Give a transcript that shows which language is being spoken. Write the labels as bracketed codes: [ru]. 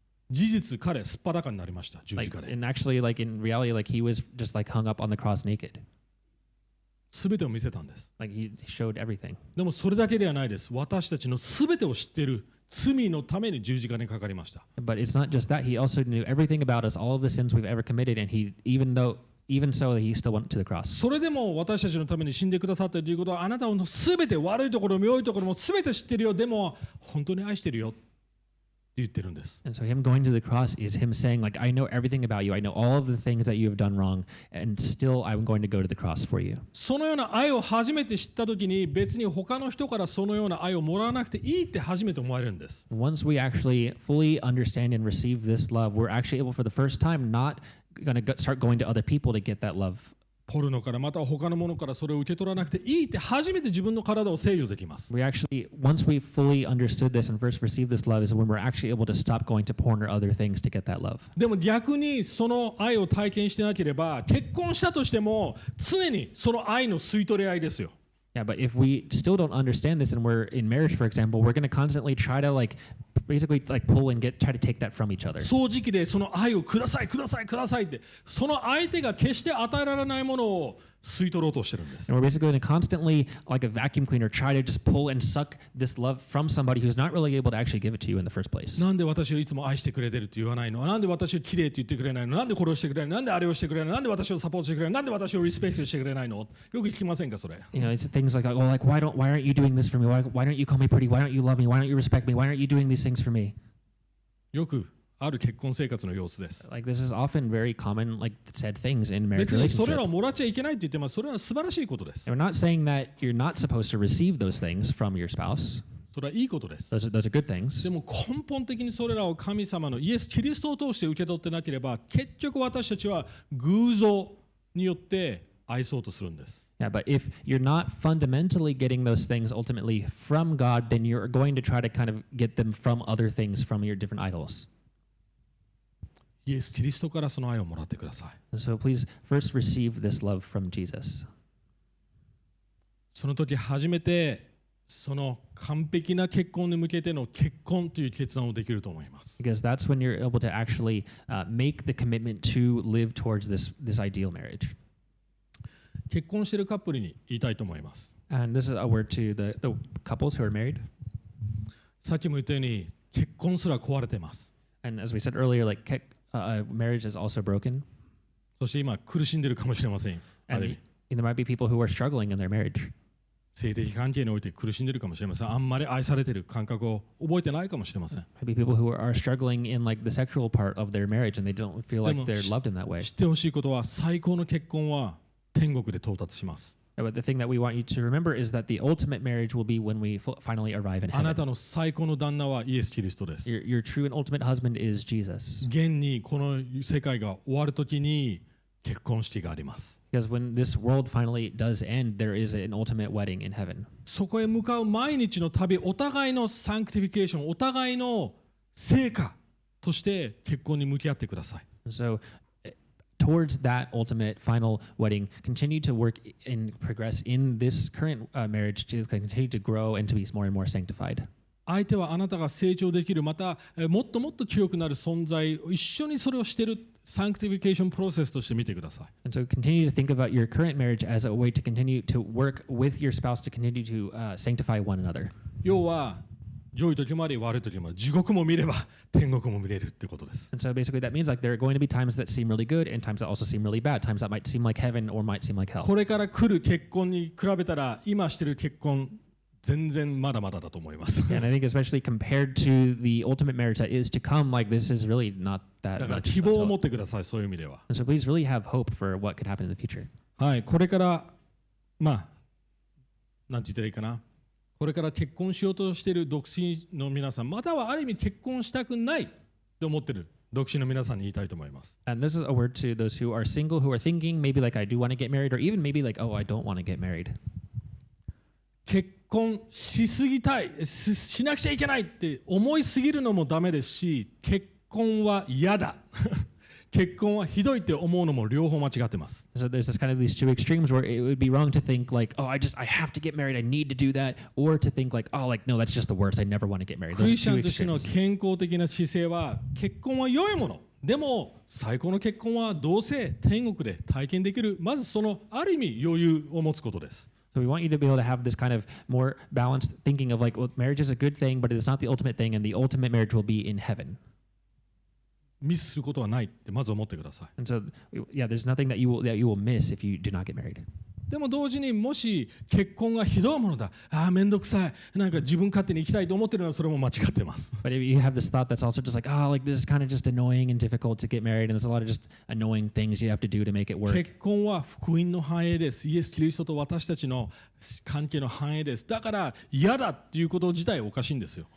[ja] 事実彼すっぱだかになりました、十字架で。 [en] Like, and actually, like in reality, like he was just like hung up on the cross naked. [ja] 全てを見せたんです。 [en] Like、he showed everything. [ja] でもそれだけではないです。私たちの全てを知っている罪のために十字架にかかりました。 [en] But it's not just that. He also knew everything about us, all of the sins we've ever committed, and he, even so, he still went to the cross. [ja] それでも私たちのために死んでくださったということは、あなたの全て、悪いところも良いところも全て知ってるよ。でも、本当に愛してるよ。って言ってるんです。 [en] And so him going to the cross is him saying, like, I know everything about you. I know all of the things that you have done wrong, and still I'm going to go to the cross for you. [ja] そのような愛を初めて知った時に、別に他の人からそのような愛をもらわなくていいって初めて思えるんです。 [en] Once we actually fully understand and receive this love, we're actually able for the first time not going to start going to other people to get that love. [ja] ポルノからまたは他のものからそれを受け取らなくていいって初めて自分の体を制御できます。 [en] We actually, once we fully understood this and first received this love, is when we're actually able to stop going to porn or other things to get that love. [ja] でも逆にその愛を体験してなければ、結婚したとしても常にその愛の吸い取り合いですよ。 [en] Yeah, but if we still don't understand this and we're in marriage, for example, we're going to constantly try to like, basically like pull and get, try to take that from each other. [ja] 掃除機でその愛をください、ください、くださいって、その相手が決して与えられないものを吸い取ろうとしてるんです。 [en] And we're basically going to constantly, like a vacuum cleaner, try to just pull and suck this love from somebody who's not really able to actually give it to you in the first place. [ja] なんで私をいつも愛してくれてるって言わないの？なんで私を綺麗って言ってくれないの？なんで殺してくれないの？なんであれをしてくれないの？なんで私をサポートしてくれないの？なんで私をリスペクトしてくれないの？よく聞きませんかそれ。 [en] You know, it's things like, well, like, why aren't you doing this for me? Why don't you call me pretty? Why don't you love me? Why don't you respect me? Why aren't you doing these things for me? [ja] よく。ある結婚生活の様子です。 [en] Like this is often very common, like said things in marriage relationship. [ja] 別にそれらをもらっちゃいけないって言ってます。それは素晴らしいことです。 [en] We're not saying that you're not supposed to receive those things from your spouse. [ja] それはいいことです。 [en] Those are good things. [ja] でも根本的にそれらを神様のイエス・キリストを通して受け取ってなければ、結局私たちは偶像によって愛そうとするんです。 [en] Yeah, but if you're not fundamentally getting those things ultimately from God, then you're going to try to kind of get them from other things, from your different idols. [ja] イエス・キリストからその愛をもらってください。 [en] So please first receive this love from Jesus. [ja] その時初めてその完璧な結婚に向けての結婚という決断をできると思います。 [en] Because that's when you're able to actually make the commitment to live towards this ideal marriage. [ja] 結婚しているカップルに言いたいと思います。 [en] And this is a word to the couples who are married. [ja] さっきも言ったように結婚すら壊れてます。 [en] And as we said earlier, like marriage is also broken. [ja] そして今苦しんでるかもしれません。 [en] And there might be people who are struggling in their marriage. [ja] 性的関係において苦しんでるかもしれません。あんまり愛されてる感覚を覚えてないかもしれません。 [en] Maybe people who are struggling in like the sexual part of their marriage and they don't feel like they're loved in that way. [ja] 知ってほしいことは最高の結婚は天国で到達します。 [en] But the thing that we want you to remember is that the ultimate marriage will be when we finally arrive in heaven. [ja] あなたの最高の旦那はイエス・キリストです。 [en] Your true and ultimate husband is Jesus. [ja] 現にこの世界が終わるときに結婚式があります。 [en] Because when this world finally does end, there is an ultimate wedding in heaven. [ja] そこへ向かう毎日の旅、お互いのサンクティフィケーション、お互いの成果として結婚に向き合ってください。 [en] So,towards that ultimate final wedding, continue to work and progress in this current marriage to continue to grow and to be more and more sanctified. [ja] 相手はあなたが成長できる、またもっともっと強くなる存在、一緒にそれをしている [en] sanctification process [ja] として見てください。 [en] And so continue to think about your current marriage as a way to continue to work with your spouse to continue to sanctify one another. 要は良い時もあり悪い時もあり地獄も見れば天国も見れるってことです。 And so basically that means like there are going to be times that seem really good and times that also seem really bad. Times that might seem like heaven or might seem like hell. [ja] これから来る結婚に比べたら今してる結婚全然まだまだだと思います。 [en] And I think especially compared to the ultimate marriage that is to come, like this is really not that much. [ja] だから希望を持ってください、そういう意味では。 [en] And so please really have hope for what could happen in the future. [ja] はい、これからまあ、なんて言ったらいいかな。これから結婚しようとしている独身の皆さん、またはある意味結婚したくないと思っている独身の皆さんに言いたいと思います。 [en] And this is a word to those who are single, who are thinking maybe like I do want to get married, or even maybe like oh I don't want to get married. [ja] 結婚しすぎたい、しなくちゃいけないって思いすぎるのもダメですし、結婚は嫌だ。結婚はひどいって思うのも両方間違ってます。 [en] So there's this kind of these two extremes where it would be wrong to think like, oh, I have to get married, I need to do that, or to think like, oh, like, no, that's just the worst, I never want to get married. [ja] クリスチャンとしての健康的な姿勢は結婚は良いもの。でも最高の結婚はどうせ天国で体験できる。まずそのある意味余裕を持つことです。 [en] So we want you to be able to have this kind of more balanced thinking of like, well, marriage is a good thing, but it's not the ultimate thing, and the ultimate marriage will be in heaven. [ja] ミスすることはないってまず思ってください。 [en] And so, yeah, there's nothing that you will miss if you do not get married. [ja] でも同時にもし結婚がひどいものだ、ああめんどくさい、なんか自分勝手に行きたいと思ってるのはそれも間違ってます。 [en] But if you have this thought that's also just like, ah,、oh, like this is kind of just annoying and difficult to get married, and there's a lot of just annoying things you have to do to make it work. [ja] 結婚は福音の繁栄です。イエス・キリストと私たちの関係の繁栄です。だから嫌だっていうこと自体おかしいんですよ。